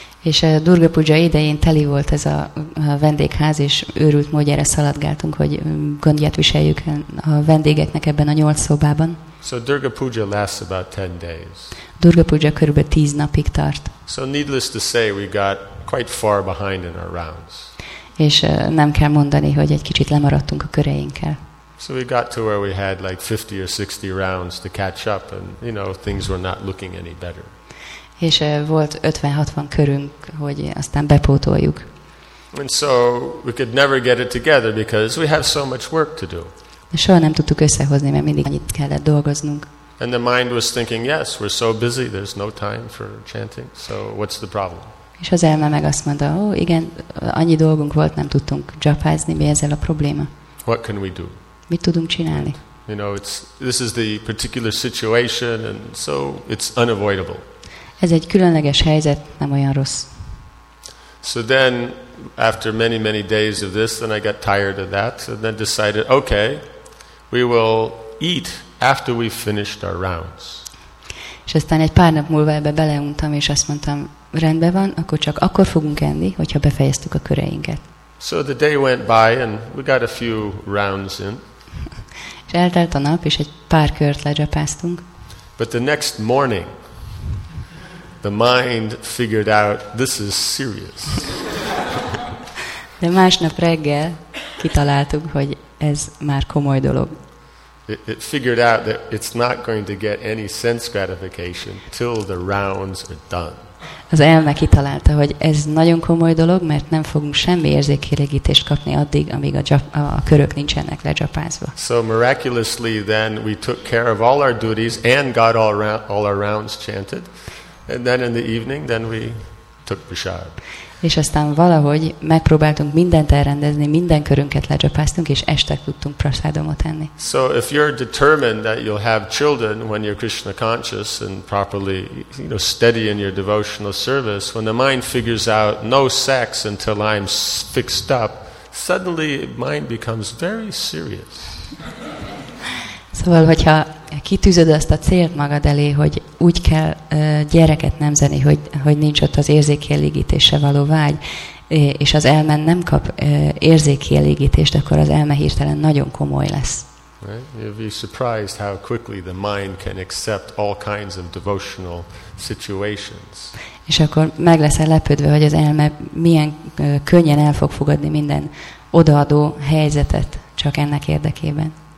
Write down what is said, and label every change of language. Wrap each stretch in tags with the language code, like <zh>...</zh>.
<hu>És a Durga Puja idején teli volt ez a vendégház, és őrült módjára szaladgáltunk, hogy gondját viseljük a vendégeknek ebben a 8 szobában.</hu> <en>So Durga Puja lasts about 10 days.</en> <hu>Durga Puja körülbelül 10 napig tart.</hu> <en>So needless to say, we got quite far behind in our rounds.</en> <hu>És nem kell mondani, hogy egy kicsit lemaradtunk a köreinkkel.</hu> <en>So we got to where we had like 50 or 60 rounds to catch up, and you know, things were not looking any better.</en> <hu>És volt 50-60 körünk, hogy aztán bepótoljuk.</hu> <en>And so we could never get it together because we have so much work to do.</en> <hu>De soha nem tudtuk összehozni, mert mindig annyit kellett dolgoznunk.</hu> <en>And the mind was thinking, yes, we're so busy, there's no time for chanting, so what's the problem?</en> <hu>És az elme meg azt mondta, ó, igen, annyi dolgunk volt, nem tudtunk japázni, mi ezzel a probléma?</hu> <en>What can we do?</en> <hu>Mit tudunk csinálni?</hu> <en>You know, this is the particular situation, and so it's unavoidable.</en> <hu>Ez egy különleges helyzet, nem olyan rossz.</hu> <en>So then, after many, many days of this, then I got tired of that, and then decided, okay, we will eat after we finished our rounds.</en> <hu>És aztán egy pár nap múlva ebbe beleuntam, és azt mondtam, rendben van, akkor csak akkor fogunk enni, hogyha befejeztük a köreinket.</hu> <en>So the day went by, and we got a few rounds in.</en> <hu>És eltelt a nap, és egy pár kört lecsapáztunk.</hu> <en>But the next morning, the mind figured out this is serious.</en> <hu>De másnap reggel kitaláltuk, hogy ez már komoly dolog.</hu> <en>It figured out that it's not going to get any sense gratification till the rounds are done.</en> <hu>Az elme kitalálta, hogy ez nagyon komoly dolog, mert nem fogunk semmi érzékelégítést kapni addig, amíg a körök nincsenek lecsapázva.</hu> <en>So miraculously then we took care of all our duties and got all our rounds chanted. And then in the evening, then we took prasad.</en> <hu>És aztán valahogy megpróbáltunk mindent elrendezni, minden körünket lecsapáztunk, és este tudtunk prasadomot enni.</hu> <en>So if you're determined that you'll have children when you're Krishna conscious and properly, you know, steady in your devotional service, when the mind figures out no sex until I'm fixed up, suddenly mind becomes very serious.</en> <hu>Szóval, hogyha kitűzöd azt a célt magad elé, hogy úgy kell gyereket nemzeni, hogy nincs ott az érzékielégítésre való vágy, és az elme nem kap érzékielégítést, akkor az elme hirtelen nagyon komoly lesz.</hu> <en>Right? You'll be surprised how quickly the mind can accept all kinds of devotional situations.</en> <hu>És akkor meg leszel lepődve, hogy az elme milyen könnyen el fog fogadni minden odaadó helyzetet csak ennek érdekében.</hu>